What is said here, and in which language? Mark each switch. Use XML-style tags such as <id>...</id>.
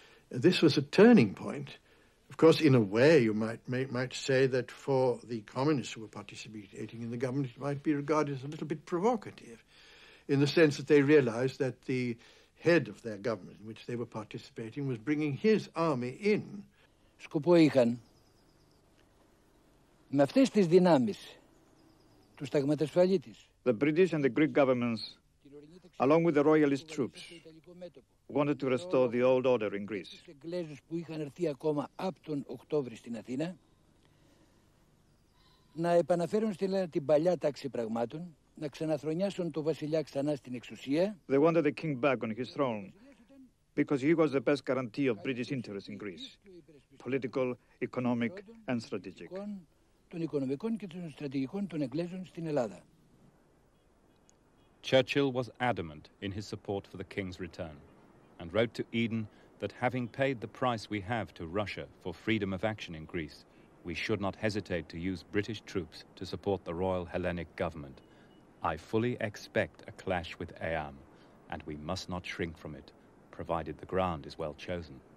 <en>This was a turning point. Of course, in a way, you might say that for the communists who were participating in the government, it might be regarded as a little bit provocative, in the sense that they realized that the head of their government in which they were participating was bringing his army in.</en> <el>Σκοπό είχαν με αυτές τις δυνάμεις του σταγματασφαλίτης.</el> <en>The British and the Greek governments, along with the royalist troops, wanted to restore the old order in Greece.</en> <el>Τους Εγγλέζους που είχαν έρθει ακόμα από τον Οκτώβριο στην Αθήνα να επαναφέρουν στην Ελλάδα την παλιά τάξη πραγμάτων. Να ξαναθρονιάσουν τον βασιλιά ξανά στην εξουσία.</el> <en>They wanted the king back on his throne because he was the best guarantee of British interests in Greece, political, economic and strategic.</en> <el>Των οικονομικών και των στρατηγικών των Εγγλέζων στην Ελλάδα.</el> <en>Churchill was adamant in his support for the king's return and wrote to Eden that having paid the price we have to Russia for freedom of action in Greece, we should not hesitate to use British troops to support the Royal Hellenic government. I fully expect a clash with Eam, and we must not shrink from it, provided the ground is well chosen.</en>